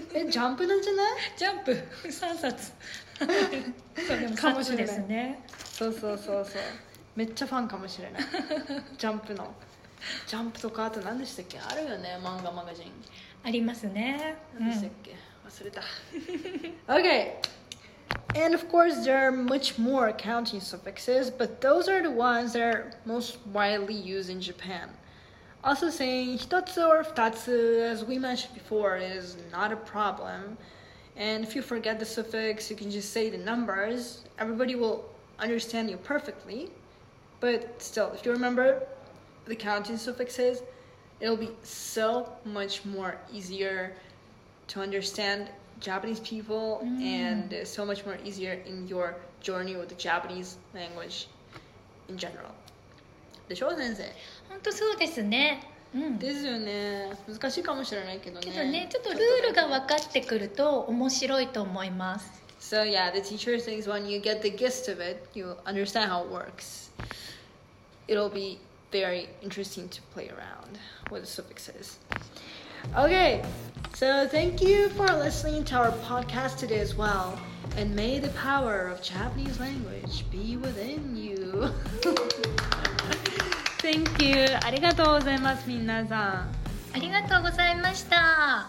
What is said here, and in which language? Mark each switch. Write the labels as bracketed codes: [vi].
[ja] え、ジャンプなんじゃない？ジャンプ3冊。そうでも、サツですね。そうそうそうそう。めっちゃファンかもしれない。ジャンプの。ジャンプとか、あと何でしたっけ？あるよね、漫画マガジン。ありますね。何でしたっけ？忘れた。Okay. [en] And of course, there are much more counting suffixes, but those are the ones that are most widely used in Japan. Also saying 一つ or 二つ, as we mentioned before, is not a problem. And if you forget the suffix, you can just say the numbers. Everybody will understand you perfectly. But still, if you remember the counting suffixes, it'll be so much more easier to understand Japanese people and so much more easier in your journey with the Japanese language in general. [ja] でしょ、先生? 本当そうですね。ですよね。難しいかもしれないけどね。けどね、ちょっとルールが分かってくると面白いと思います。 [en] So yeah, the teacher thinks when you get the gist of it, you understand how it works. It'll be very interesting to play around with the suffixes. Okay, so thank you for listening to our podcast today as well. And may the power of Japanese language be within you. Thank you. [ja] ありがとうございます、みんなさん。ありがとうございました。